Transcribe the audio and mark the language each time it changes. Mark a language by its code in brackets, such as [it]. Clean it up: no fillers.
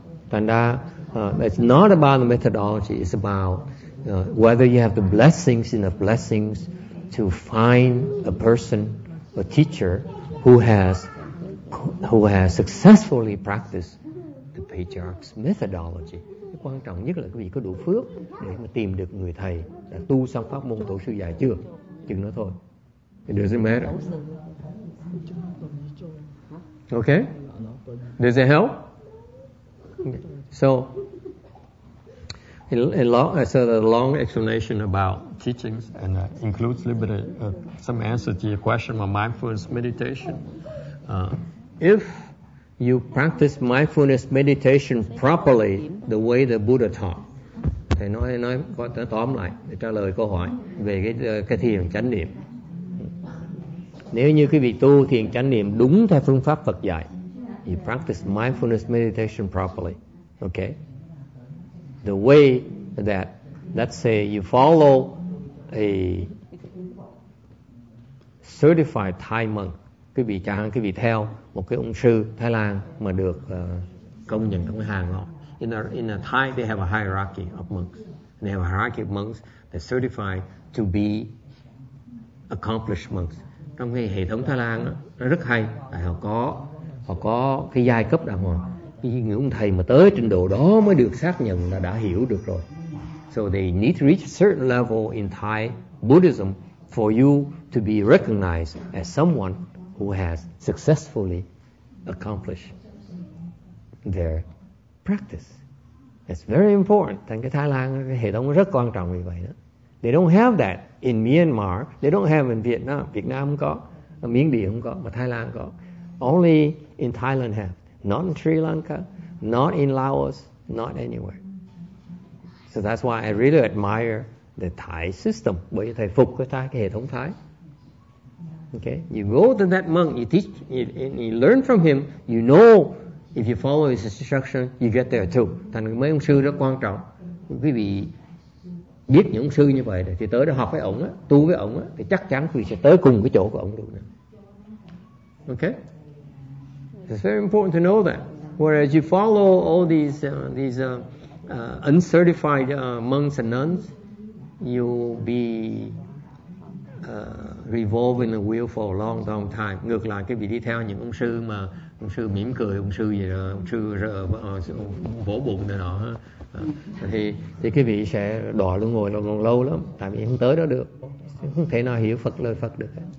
[vi] Thành ra [en] it's not about the methodology, it's about whether you have the blessings and the blessings to find a person, a teacher, who has successfully practiced the patriarch's methodology. [vi] Cái quan trọng nhất là quý vị có đủ phước để mà tìm được người thầy đã tu xong pháp môn tổ sư dạy chưa. Chừng đó thôi. [en] It doesn't matter. Okay? Does it help? So, so the long explanation about teachings and includes a little bit of some answer to your question about mindfulness meditation. If you practice mindfulness meditation properly, the way the Buddha taught, [vi] thầy nói tóm lại để trả lời câu hỏi về cái thiền chánh niệm. Nếu như quý vị tu thiền chánh niệm đúng theo phương pháp Phật dạy, [en] you practice mindfulness meditation properly, [vi] okay? [en] The way that, let's say, you follow a certified Thai monk, [vi] quý vị chẳng hạn quý vị theo một cái ông sư Thái Lan mà được công nhận trong cái hàng họ. [en] In a Thai, they have a hierarchy of monks. They have a hierarchy of monks that certify to be accomplished monks. [vi] Trong cái hệ thống Thái Lan nó rất hay, họ có cái giai cấp đàng hoàng. Những ông thầy mà tới trình độ đó mới được xác nhận là đã hiểu được rồi. [en] So they need to reach a certain level in Thai Buddhism for you to be recognized as someone who has successfully accomplished their practice. It's very important. [vi] Thành cái Thái Lan cái hệ thống rất quan trọng vì vậy đó. [en] They don't have that in Myanmar. They don't have in Vietnam. [vi] Việt Nam không có, Miến Điện không có, mà Thái Lan có. [en] Only in Thailand have. Not in Sri Lanka, not in Laos, not anywhere. So that's why I really admire the Thai system. [vi] Bởi vì thầy phục cái Thái, cái hệ thống Thái. [en] Okay, you go to that monk, you teach, you learn from him. You know, if you follow his instruction, you get there too. [vi] Thành mấy ông sư rất quan trọng. Quý vị biết những ông sư như vậy thì tới đó học với ông á, tu với ông á, thì chắc chắn quý vị sẽ tới cùng cái chỗ của ông được. [en] Okay. It's very important to know that. Whereas you follow all these uncertified monks and nuns, you'll be revolving the wheel for a long, long time. [vi] Ngược lại, cái vị đi theo những ông sư mỉm cười, ông sư gì đó, ông sư vỗ bụng này nọ, thì cái vị sẽ đọa luôn ngồi còn lâu lắm, tại vì không tới đó được, không thể nào hiểu Phật lời Phật được.